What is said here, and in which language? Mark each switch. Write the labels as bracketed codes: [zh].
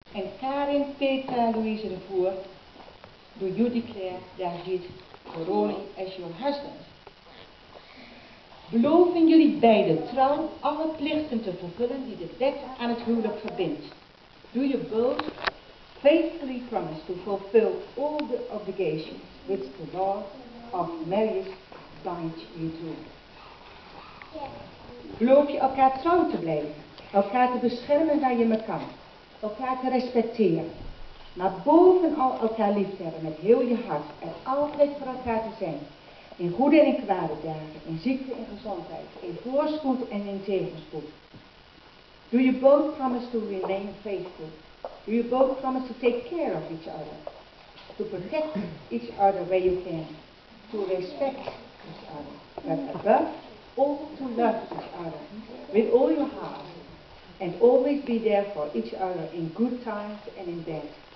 [en] En Karin, Petra, Louise de Voer, do you declare that you Ronnie as your husband? [nl] Beloven jullie beide trouw alle plichten te vervullen die de wet aan het huwelijk verbindt? [en] Do you both faithfully promise to fulfill all the obligations which the law of marriage binds you to? [nl] Beloof je elkaar trouw te blijven, elkaar te beschermen waar je me kan, elkaar te respecteren, maar bovenal elkaar lief te hebben met heel je hart en altijd voor elkaar te zijn. In goede en in kwade dagen, in ziekte en gezondheid, in voorspoed en in tegenspoed. [en] Do you both promise to remain faithful? Do you both promise to take care of each other? To protect each other where you can? To respect each other? But above all, to love each other with all your heart. And always be there for each other in good times and in bad.